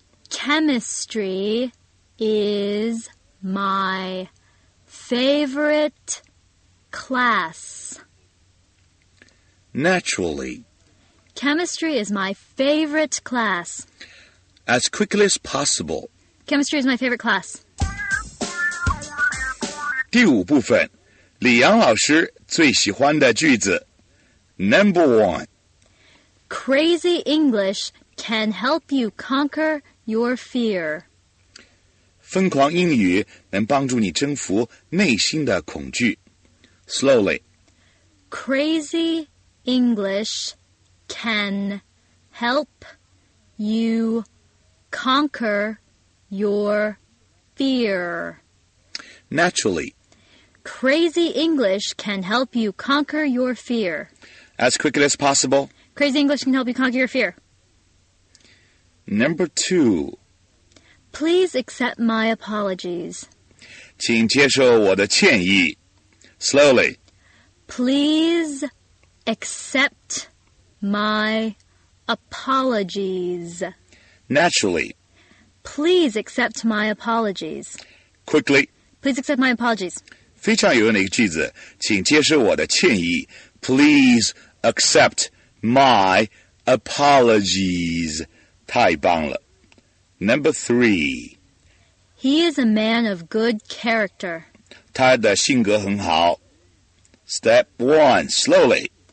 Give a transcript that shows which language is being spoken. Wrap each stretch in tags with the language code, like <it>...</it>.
<en>Chemistry is my favorite class. Naturally. Chemistry is my favorite class. As quickly as possible. Chemistry is my favorite class.</en> <zh>第五部分李阳老师最喜欢的句子</zh> <en>Number one. Crazy English can help you conquer your fear.</en> <zh>疯狂英语能帮助你征服内心的恐惧。</zh> <en>Slowly. Crazy English can help you conquer your fear. Naturally. Crazy English can help you conquer your fear. As quickly as possible. Crazy English can help you conquer your fear. Number two. Please accept my apologies.</en> <zh>请接受我的歉意。</zh> <en>Slowly. Please accept my apologies. Naturally. Please accept my apologies. Quickly. Please accept my apologies.</en> <zh>非常有用的一个句子，请接受我的歉意。</zh> <en>Please accept my apologies.</en> <zh>太棒了。</zh> <en>Number three. He is a man of good character.</en> <zh>他的性格很好。</zh> <en>Step one, slowly.</en>